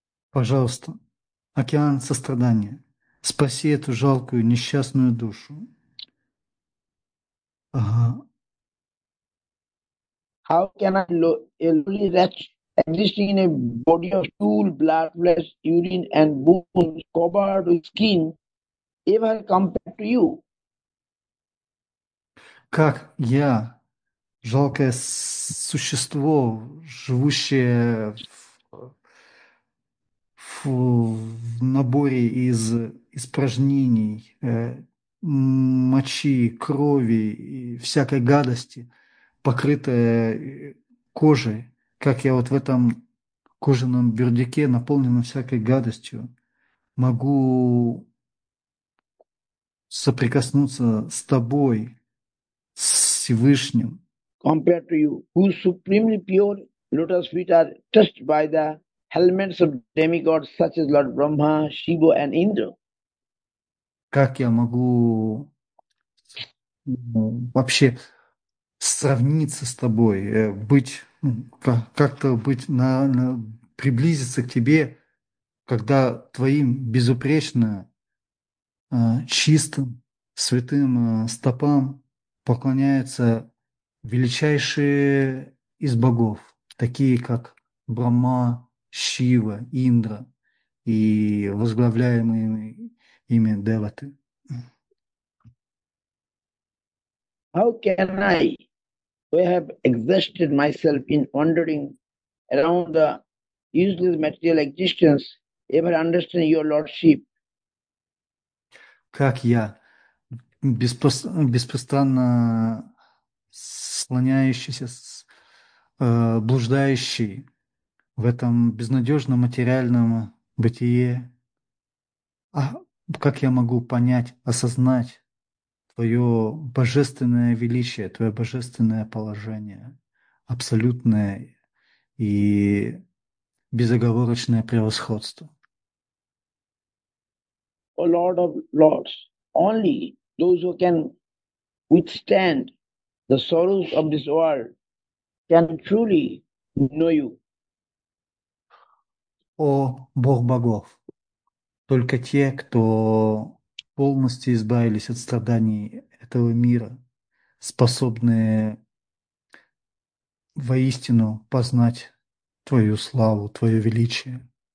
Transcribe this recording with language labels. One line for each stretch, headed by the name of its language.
Russian: Пожалуйста, океан сострадания, спаси эту жалкую, несчастную душу.
English: How can I, a lowly wretch, existing in a body of stool, blood, flesh, urine and bones, covered with skin, ever compared to you?
Russian: Как я, жалкое существо, живущее в наборе из испражнений, мочи, крови и всякой гадости, покрытое кожей, как я вот в этом кожаном бюрдюке, наполненном всякой гадостью, могу соприкоснуться с тобой, с Всевышним.
English: Compared to you, whose supremely pure lotus feet are touched by the helmets of demigods such as Lord Brahma, Shiva and Indra.
Russian: Как я могу вообще сравниться с тобой, быть как-то быть на приблизиться к тебе, когда твоим безупречно чистым святым стопам поклоняются величайшие из богов, такие как Брахма, Шива, Индра и возглавляемые ими деваты.
English: How can I, who have exhausted myself in wandering around the useless material existence, ever understand your lordship?
Russian: Как я беспрестанно склоняющийся, блуждающий в этом безнадежном материальном бытие. А как я могу понять, осознать твое божественное величие, твое божественное положение, абсолютное и безоговорочное превосходство?
English: О, Lord of Lords, only those who can withstand the sorrows of this world can truly know you.
Russian: О, Бог богов! Только те, кто полностью избавились от страданий этого мира, способны воистину познать твою славу, твое величие.